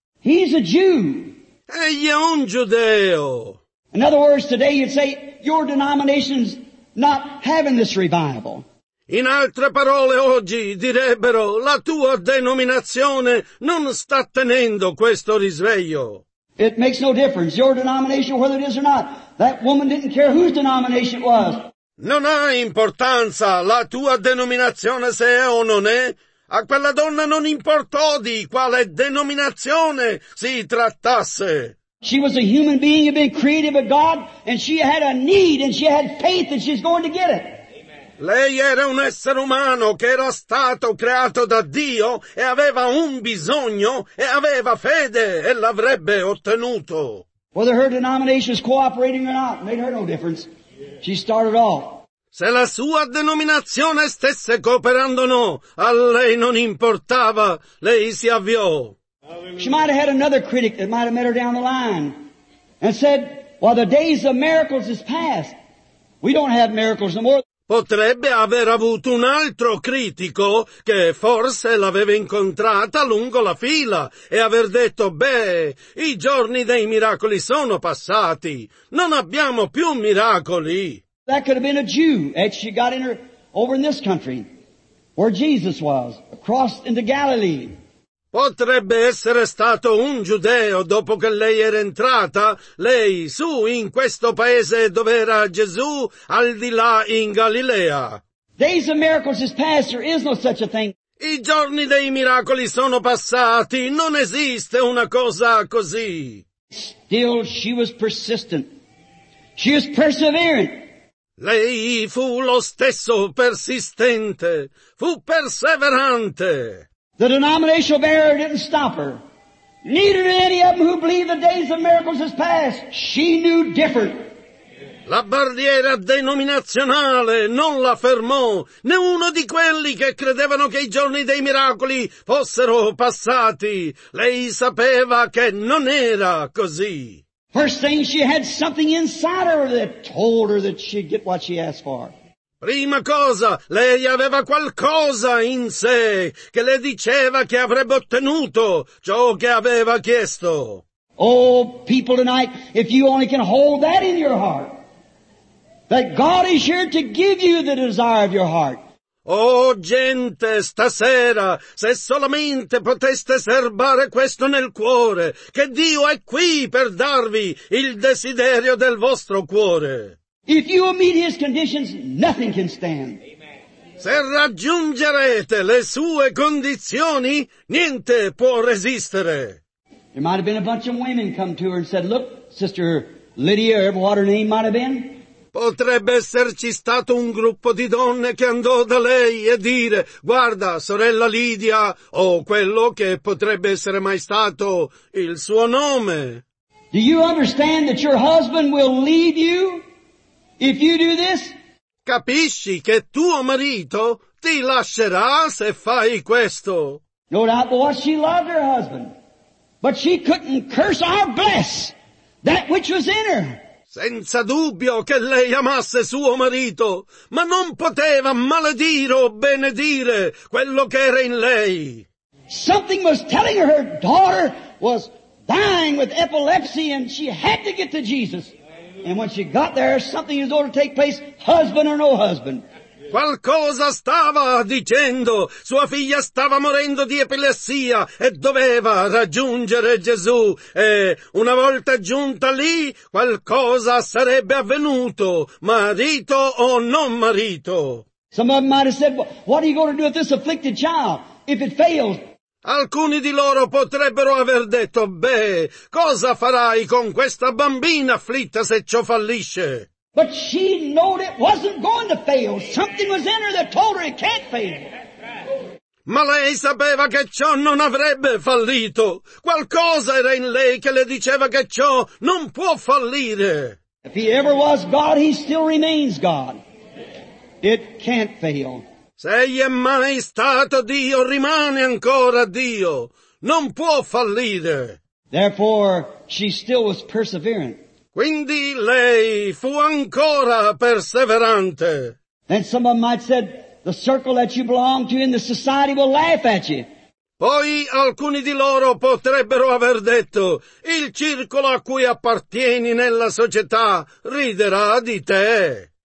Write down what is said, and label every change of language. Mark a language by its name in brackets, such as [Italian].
[English] He's a Jew. [Italian] Egli è un giudeo. [English] In other words, today you'd say your denomination's not having this revival. [Italian] In altre parole, oggi direbbero la tua denominazione non sta tenendo questo risveglio. [English] It makes no difference, your denomination, whether it is or not. That woman didn't care whose denomination it was. [Italian] Non ha importanza la tua denominazione se è o non è. A quella donna non importò di quale denominazione si trattasse. [English] She was a human being who had been created by God, and she had a need, and she had faith, and she's going to get it. Amen. [Italian] Lei era un essere umano che era stato creato da Dio e aveva un bisogno e aveva fede e l'avrebbe ottenuto. [English] Whether her denomination is cooperating or not made her no difference. She started off. [Italian] Se la sua denominazione stesse cooperando o no, a lei non importava, lei si avviò. [English] Hallelujah. She might have had another critic that might have met her down the line and said, well, the days of miracles is past. We don't have miracles no more. [Italian] Potrebbe aver avuto un altro critico che forse l'aveva incontrata lungo la fila e aver detto, beh, i giorni dei miracoli sono passati, non abbiamo più miracoli. [English] That could have been a Jew as she got in her, over in this country, where Jesus was, across into Galilee. [Italian] Potrebbe essere stato un giudeo dopo che lei era entrata, lei, su in questo paese dove era Gesù, al di là in Galilea. [English] Days of miracles is past, there is no such a thing. [Italian] I giorni dei miracoli sono passati, non esiste una cosa così. [English] Still she was persistent. She was perseverant. [Italian] Lei fu lo stesso persistente, fu perseverante. [English] The denominational barrier didn't stop her. Neither did any of them who believed the days of miracles has passed. She knew different. [Italian] La barriera denominazionale non la fermò. Né uno di quelli che credevano che i giorni dei miracoli fossero passati. Lei sapeva che non era così. [English] First thing, she had something inside her that told her that she'd get what she asked for. [Italian] Prima cosa, lei aveva qualcosa in sé che le diceva che avrebbe ottenuto ciò che aveva chiesto. [English] Oh, people tonight, if you only can hold that in your heart, that God is here to give you the desire of your heart. [Italian] Oh, gente, stasera, se solamente poteste serbare questo nel cuore, che Dio è qui per darvi il desiderio del vostro cuore. [English] If you meet his conditions, nothing can stand. [Italian] Se raggiungerete le sue condizioni, niente può resistere. [English] There might have been a bunch of women come to her and said, look, Sister Lydia, or what her name might have been. [Italian] Potrebbe esserci stato un gruppo di donne che andò da lei e dire, guarda, sorella Lydia, o quello che potrebbe essere mai stato il suo nome. [English] Do you understand that your husband will leave you? If you do this, [Italian] capisci che tuo marito ti lascerà se fai questo. [English] No doubt, but she loved her husband, but she couldn't curse or bless that which was in her. [Italian] Senza dubbio che lei amasse suo marito, ma non poteva maledire o benedire quello che era in lei. [English] Something was telling her her daughter was dying with epilepsy and she had to get to Jesus. And when she got there, something is going to take place, husband or no husband. [Italian] Qualcosa stava dicendo, sua figlia stava morendo di epilessia e doveva raggiungere Gesù. E una volta giunta lì, qualcosa sarebbe avvenuto, marito o non marito. [English] Some of them might have said, well, what are you going to do with this afflicted child if it fails? [Italian] Alcuni di loro potrebbero aver detto, beh, cosa farai con questa bambina afflitta se ciò fallisce? [English] But she knew it wasn't going to fail. Something was in her that told her it can't fail. [Italian] Ma lei sapeva che ciò non avrebbe fallito. Qualcosa era in lei che le diceva che ciò non può fallire. [English] If he ever was God, he still remains God. It can't fail. [Italian] Se egli è mai stato Dio, rimane ancora Dio. Non può fallire. [English] Therefore, she still was perseverant. [Italian] Quindi lei fu ancora perseverante. [English] Then some of them might said, the circle that you belong to in the society will laugh at you. [Italian] Poi alcuni di loro potrebbero aver detto, il circolo a cui appartieni nella società riderà di te.